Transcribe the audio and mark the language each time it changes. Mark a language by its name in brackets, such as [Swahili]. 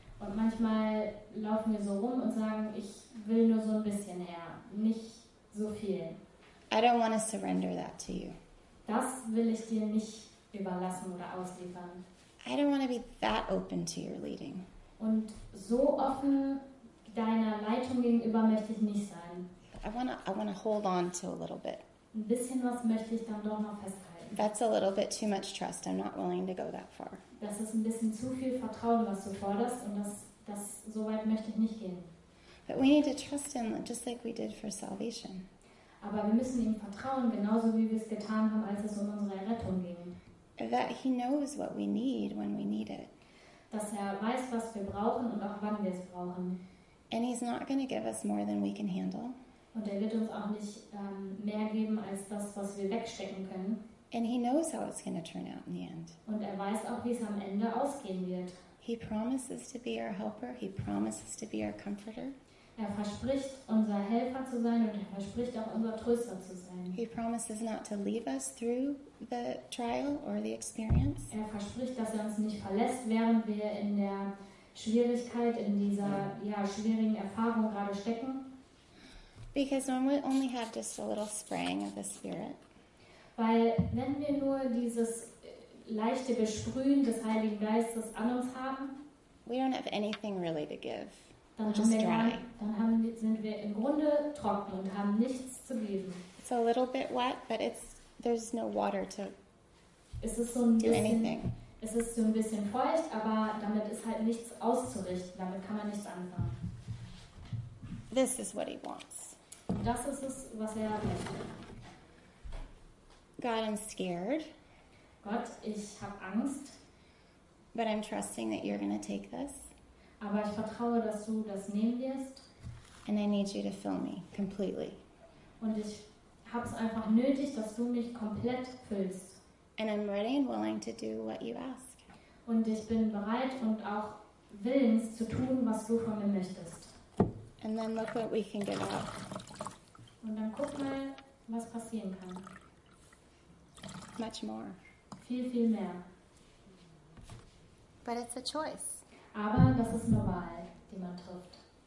[German] Und manchmal laufen wir so rum und sagen, ich will nur so ein bisschen her, nicht so viel. [English] I don't want to surrender that to you. [German] Das will ich dir nicht überlassen oder ausliefern. [English] I don't want to be that open to your leading. [German] Und so offen deiner Leitung gegenüber möchte ich nicht sein. [English] I wanna hold on to a little bit. [German] Ein bisschen was möchte ich dann doch noch festhalten. [English] That's a little bit too much trust. I'm not willing to go that far. [German] Das ist ein bisschen zu viel Vertrauen, was du forderst, und das so weit möchte ich nicht gehen. [English] But we need to trust him just like we did for salvation. [German] Aber wir müssen ihm vertrauen, genauso wie wir es getan haben, als es unsere Errettung ging. [English] That he knows what we need when we need it. [German] Dass er weiß, was wir brauchen und auch wann wir es brauchen. [English] And he's not going to give us more than we can handle. [German] Und er wird uns auch nicht mehr geben als das, was wir wegstecken können. [English] And he knows how it's going to turn out in the end. [German] Und er weiß auch, wie es am Ende ausgehen wird. [English] He promises to be our helper. He promises to be our comforter. [German] Er verspricht, unser Helfer zu sein, und er verspricht auch, unser Tröster zu sein. [English] He promises not to leave us through the trial or the experience. [German] Er verspricht, dass er uns nicht verlässt, während wir in der Schwierigkeit, in dieser ja schwierigen Erfahrung gerade stecken. [English] Because when we only have just a little spraying of the Spirit. [German] Weil wenn wir nur dieses leichte Besprühen des Heiligen Geistes an uns haben, [English] we don't have anything really to give. [German] Dann sind wir im Grunde trocken und haben nichts zu geben. [English] It's a little bit wet, but there's no water to do anything. [German] Es ist so ein bisschen feucht, aber damit ist halt nichts auszurichten. Damit kann man nichts anfangen. [English] This is what he wants. [German] Das ist es, was er möchte. [English] God, I'm scared. [German] Gott, ich habe Angst. [English] But I'm trusting that you're going to take this. [German] Aber ich vertraue, dass du das nehmen wirst. [English] And I need you to fill me completely. [German] Und ich habe es einfach nötig, dass du mich komplett füllst. [English] And I'm ready and willing to do what you ask. [German] Und ich bin bereit und auch willens zu tun, was du von mir möchtest. [English] And then look what we can give up. [German] Und dann guck mal, was passieren kann. [English] Much more. [German] Viel, viel mehr. [English] But it's a choice. [German] Aber das ist eine Wahl, die man trifft.